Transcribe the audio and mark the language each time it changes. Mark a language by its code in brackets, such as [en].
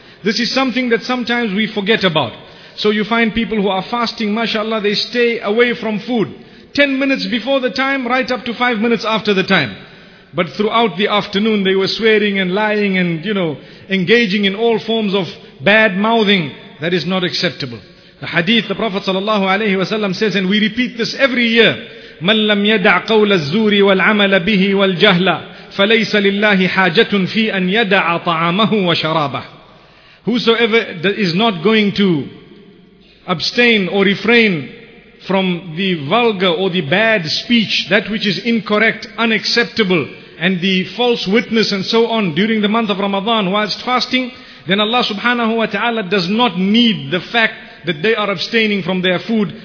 [en] This is something that sometimes we forget about. So you find people who are fasting, mashallah, they stay away from food 10 minutes before the time, right up to 5 minutes after the time. But throughout the afternoon, they were swearing and lying and, you know, engaging in all forms of bad mouthing. That is not acceptable. The hadith, the Prophet sallallahu alayhi wa sallam says, and we repeat this every year, [ar] مَنْ لَمْ يَدَعْ قَوْلَ الزُّورِ وَالْعَمَلَ بِهِ وَالْجَهْلَ فَلَيْسَ لِلَّهِ حَاجَةٌ فِي أَنْ يَدَعَ طَعَامَهُ وَشَرَابَهُ. [en] Whosoever is not going to abstain or refrain from the vulgar or the bad speech, that which is incorrect, unacceptable, and the false witness and so on during the month of Ramadan whilst fasting, then Allah subhanahu wa ta'ala does not need the fact that they are abstaining from their food.